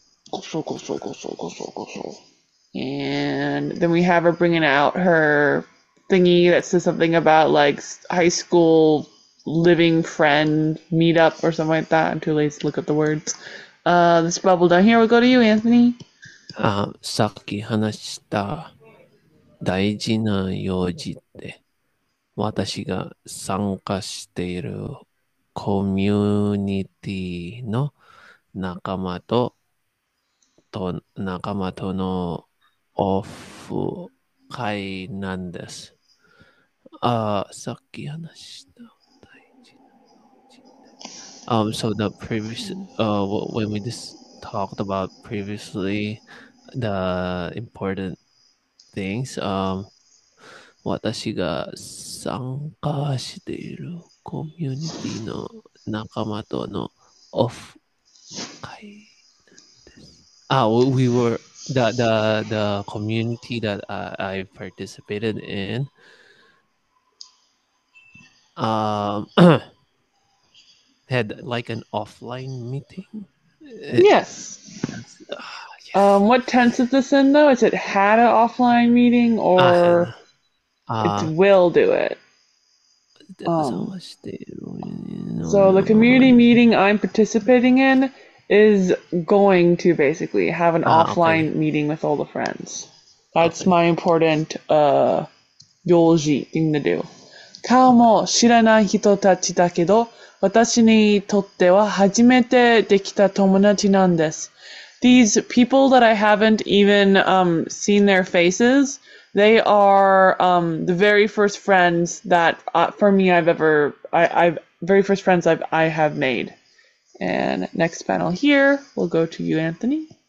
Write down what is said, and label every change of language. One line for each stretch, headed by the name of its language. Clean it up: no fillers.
Japanese: ごそごそごそごそごそ。
English: And then we have her bringing out her thingy that says something about like high school living friend meetup or something like that. I'm too lazy to look up the words. This bubble down here will go to you, Anthony.
Japanese: さっき話した大事な用事で私が参加しているコミュニティの仲間とのオフ会なんです。さっき話した。
English: So the previous, when we just talked about previously, the important things,
Japanese: 私が参加しているコミュニティの仲間とのオフ会なんです。
English: We were, the community that I participated in, had like an offline meeting? Yes. Yes. What tense is this in though? Is it had an offline meeting or it will do it? So the community meeting I'm participating in is going to basically have an offline meeting with all the friends. That's my important 用事 thing to do.
Japanese: 顔も知らない人たちだけど私にとっては初めてできた友達なんです。
English: These people that I haven't even seen their faces, they are the very first friends that for me I've made. And next panel here will go to you, Anthony.